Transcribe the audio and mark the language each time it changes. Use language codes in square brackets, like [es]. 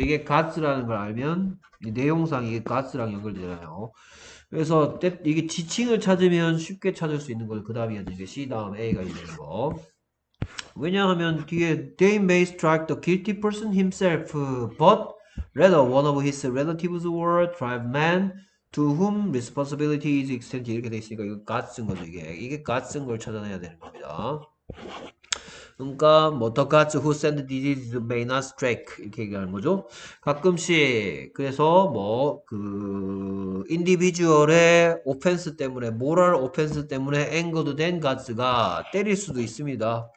[ko] 이게 가츠라는 걸 알면 이 내용상 이게 가츠랑 연결되잖아요. 그래서 이게 지칭을 찾으면 쉽게 찾을 수 있는 걸, 그 다음에 이제 C 다음 A가 있는 거. 왜냐하면 뒤에 [en] they may strike the guilty person himself, but rather one of his relatives or tribe man to whom responsibility is extended. [ko] 이렇게 돼 있으니까 이거 가츠인 거죠. 이게 가츠인 걸 찾아내야 되는 겁니다. 그러니까 뭐 [en] the gods who send the disease may not strike, [ko] 이렇게 얘기하는 거죠. 가끔씩 그래서 뭐그 인디비주얼의 오펜스 때문에, 모럴 오펜스 때문에 앵거드 된 가츠가 때릴 수도 있습니다.